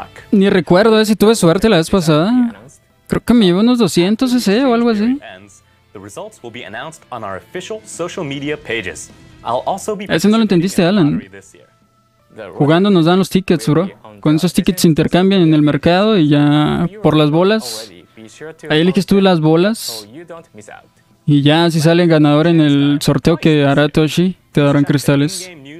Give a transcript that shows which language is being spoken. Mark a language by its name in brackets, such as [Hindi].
[Spanish] Ni recuerdo si tuve suerte la vez pasada. Creo que me llevo unos 200 CC o algo así. [English] The results will be announced on our official social media pages. I'll also be. [Spanish] Ese no lo entendiste, Alan. Jugando nos dan los tickets, bro. Con esos tickets se intercambian en el mercado y ya por las bolas. Ahí eliges tú las bolas. Y ya si sale ganador en el sorteo que hará Toshi, te darán cristales.